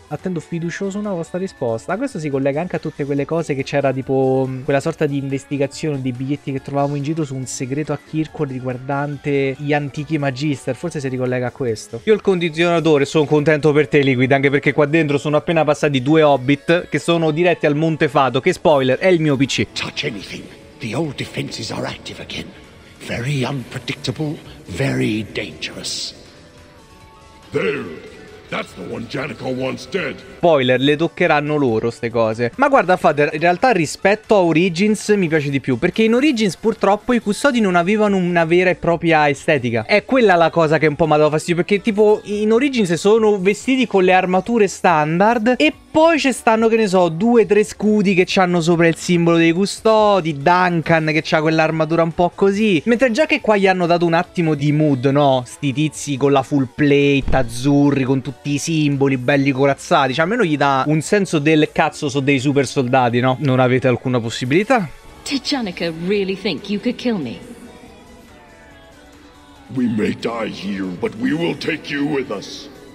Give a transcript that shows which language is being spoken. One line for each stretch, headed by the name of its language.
Italian: Attendo fiducioso una vostra risposta. A questo si collega anche a tutte quelle cose che c'era, tipo quella sorta di investigazione dei biglietti che trovavamo in giro su un segreto a Kirkwood riguardante gli antichi magister. Forse si ricollega a questo. Io il condizionatore sono contento per te, Liquid, anche perché qua dentro sono appena passati due hobbit che sono diretti al Monte Fado, che spoiler è il mio PC.
English: Touch anything, the old defenses are active again. Very unpredictable, very dangerous. There, That's the one Janica wants dead.
Italian: Spoiler, le toccheranno loro ste cose. Ma guarda, Father, in realtà rispetto a Origins mi piace di più, perché in Origins purtroppo i custodi non avevano una vera e propria estetica. È quella la cosa che un po' mi ha dato fastidio, perché tipo in Origins sono vestiti con le armature standard e poi ci stanno, che ne so, due o tre scudi che c'hanno sopra il simbolo dei custodi, Duncan che c'ha quell'armatura un po' così. Mentre già che qua gli hanno dato un attimo di mood, no? Sti tizi con la full plate, azzurri, con tutti i simboli belli corazzati. Cioè almeno gli dà un senso del cazzo sono dei super soldati, no? Non avete alcuna possibilità?
English: Did Janica really think you could kill me? We may die here, but we will take you with us.